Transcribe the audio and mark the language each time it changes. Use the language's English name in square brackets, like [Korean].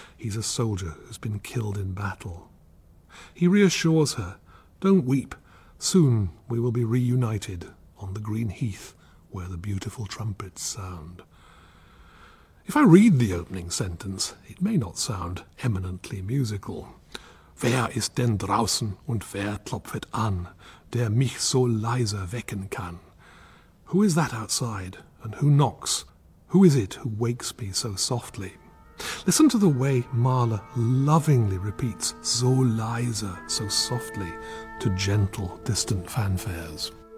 [English] He's a soldier who's been killed in battle. He reassures her, "Don't weep. Soon we will be reunited on the green heath where the beautiful trumpets sound." If I read the opening sentence, it may not sound eminently musical. [German] Wer ist denn draußen und wer klopft an, der mich so leise wecken kann? [English] Who is that outside and who knocks? Who is it who wakes me so softly? Listen to the way Mahler lovingly repeats [German] so leise, [English] so softly, to gentle, distant fanfares.